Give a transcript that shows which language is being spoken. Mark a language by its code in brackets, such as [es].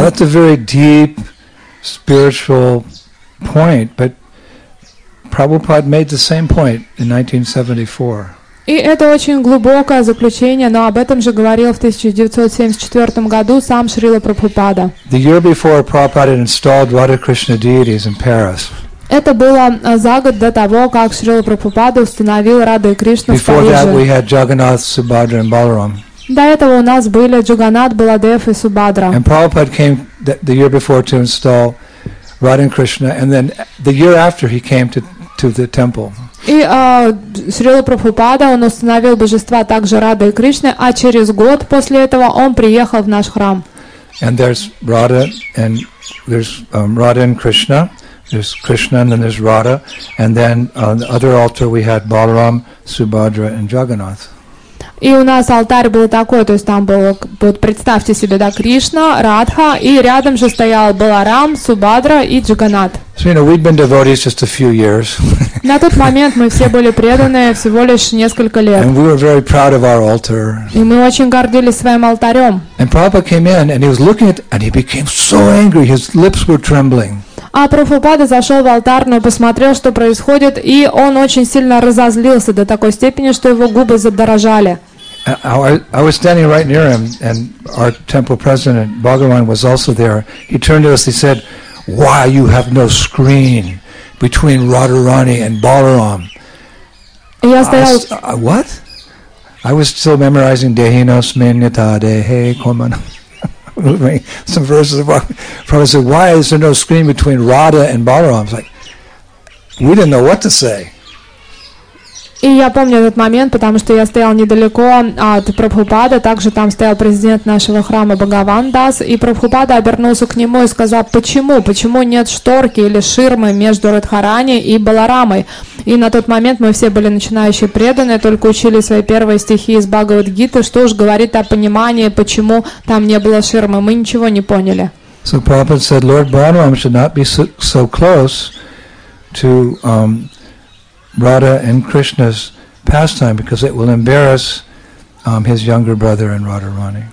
[en] That's a very deep spiritual point, but Prabhupada made the same point in 1974. [ru] И это очень глубокое заключение, но об этом же говорил в 1974 году сам Шрила Прабхупада. [en] The year before, Prabhupada installed Radha Krishna deities in Paris. [ru] Это было за год до того, как Шрила Прабхупада установил Раду и Кришну [en] Before [ru] в Париже. [en] That we had Jagannath, Subhadra and Balaram. [ru] До этого у нас были Джаганат, Баладев и Субхадра. [en] And Prabhupada came the year before to install Radha and Krishna, and then the year after he came to the temple. [ru] И Шрила Прабхупада, он установил божества также Рады и Кришны, а через год после этого он приехал в наш храм. [en] And there's Radha and Radha and Krishna. There's Krishna and then there's Radha, and then on the other altar we had Balaram, Subhadra, and Jagannath. [ru] И у нас алтарь был такой, то есть там был, вот представьте себе, да, Кришна, Радха, и рядом же стоял Баларам, Субхадра и Джаганат. [en] So you know, we'd been devotees just a few years. [ru] На тот момент мы все были преданные всего лишь несколько лет. [en] And we were very proud of our altar. [ru] И мы очень гордились своим алтарем. [en] And Prabhupada came in and he was looking at, and he became so angry, his lips were trembling. [ru] А Прабхупада зашел в алтарную, посмотрел, что происходит, и он очень сильно разозлился до такой степени, что его губы задрожали. [en] I was standing right near him, and our temple president Bhagavan was also there. He turned to us, he said, "Why you have no screen between Radharani and Balaram?" [ru] Я стоял. [en] What? I was still memorizing Dehinos Menita Dehe Koman. Some verses of Prabhupada said, "Why is there no screen between Radha and Balaram?" It's like we didn't know what to say. [ru] И я помню этот момент, потому что я стоял недалеко от Прабхупады, также там стоял президент нашего храма Бхагаван Дас, и Прабхупада обернулся к нему и сказал, почему нет шторки или ширмы между Радхарани и Баларамой? И на тот момент мы все были начинающие преданные, только учили свои первые стихи из Бхагавад-гиты, что уж говорит о понимании, почему там не было ширмы, мы ничего не поняли. [en] So Prabhupada said, Lord Balaram should not be so close to Radha and Krishna's pastime because it will embarrass his younger brother and Radharani.